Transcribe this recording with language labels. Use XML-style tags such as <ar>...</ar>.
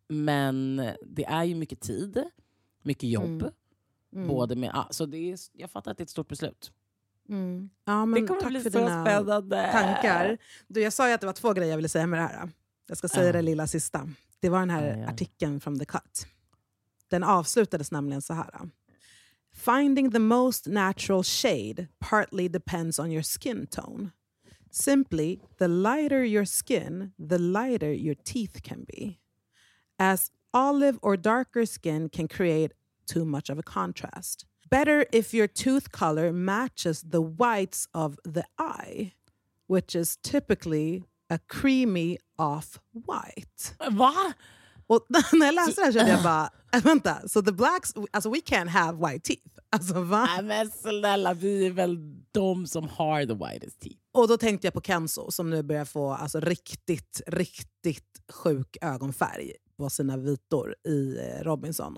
<sv>Men det är ju mycket tid. Mycket jobb. Mm. Både med, så det är, jag fattar att det är ett stort beslut. Mm. Ja, men det kommer tack bli för så dina spännande tankar. Du, jag sa ju att det var två grejer jag ville säga med det här. Jag ska säga det lilla sista. Det var den här artikeln från The Cut. Den avslutades nämligen så här.</sv> <en>Finding the most natural shade partly depends on your skin tone. Simply, the lighter your skin, the lighter your teeth can be. As olive or darker skin can create too much of a contrast. Better if your tooth color matches the whites of the eye, which is typically a creamy off-white. What? Well,</en> <sv>när jag läste det här kände jag bara, vänta,</sv> <en>so the blacks,</en> <sv>alltså</sv> <en>we can't have white teeth.</en> <sv>Alltså, va? Nej, men snälla, vi är väl de som har</sv> <en>the whitest teeth.</en> <sv>Och då tänkte jag på Kenzo som nu börjar få alltså riktigt, riktigt sjuk ögonfärg på sina vitor i Robinson.</sv>